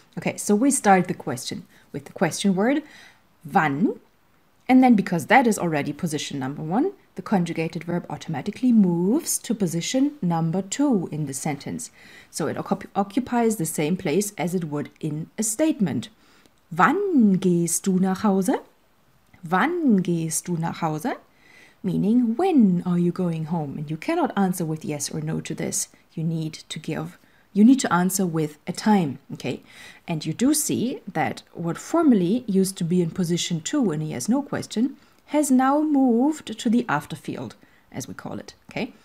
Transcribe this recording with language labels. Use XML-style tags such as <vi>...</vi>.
<en>Okay, so we start the question with the question word, wann, and then because that is already position number one, the conjugated verb automatically moves to position number two in the sentence. So it occupies the same place as it would in a statement.</en> <de>Wann gehst du nach Hause? Wann gehst du nach Hause?</de> <en>Meaning, when are you going home? And you cannot answer with yes or no to this. You need to answer with a time, okay? And you do see that what formerly used to be in position two in a yes-no question has now moved to the after field, as we call it, okay?</en>